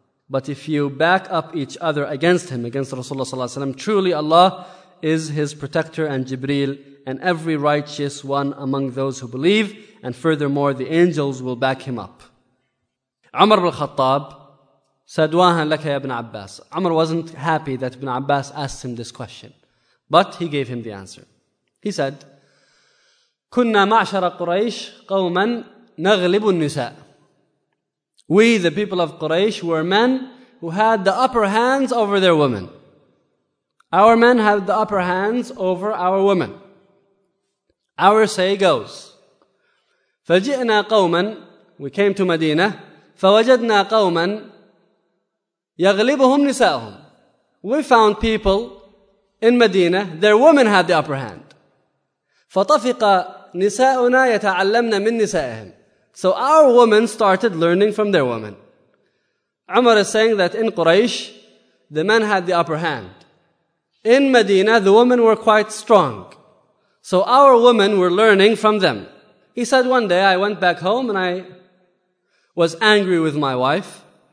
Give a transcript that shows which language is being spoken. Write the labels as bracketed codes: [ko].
[en] But if you back up each other against him, against Rasulullah sallallahu alaihi wasallam, truly Allah is his protector and Jibreel and every righteous one among those who believe, and furthermore the angels will back him up. Umar ibn al-Khattab said, [ar] Wahan laka ya ibn Abbas. [en] Umar wasn't happy that ibn Abbas asked him this question, but he gave him the answer. He said, [ar] كنا معشر قريش قوما نغلب النساء. [en] We, the people of Quraysh, were men who had the upper hands over their women. Our men had the upper hands over our women. Our say goes. [ar] فجئنا قوما, [en] we came to Medina, [ar] فوجدنا قوما يغلبهم نساءهم. [en] We found people in Medina, their women had the upper hand. [ar] فطفق نساؤنا يتعلمنا من نسائهم. [en] So our women started learning from their women. Umar is saying that in Quraysh, the men had the upper hand. In Medina, the women were quite strong. So our women were learning from them. He said, one day I went back home and I was angry with my wife.